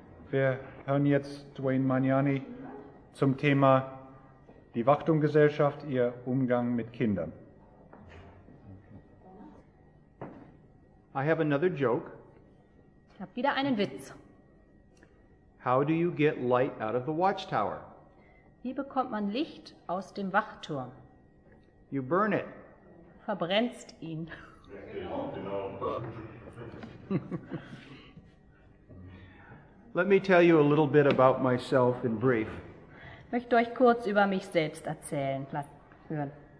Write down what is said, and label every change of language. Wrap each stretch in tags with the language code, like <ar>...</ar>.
<de>Wir hören jetzt Dwayne Magnani zum Thema die Wachtunggesellschaft, ihr Umgang mit Kindern.</de> <en>I have another joke.</en> <de>Ich habe wieder einen Witz.</de> <en>How do you get light out of the watchtower?</en> <de>Wie bekommt man Licht aus dem Wachturm?</de> <en>You burn it.</en> <de>Verbrennst ihn.</de> <en>Let me tell you a little bit about myself in brief.</en> <de>Ich möchte euch kurz über mich selbst erzählen, hören.</de>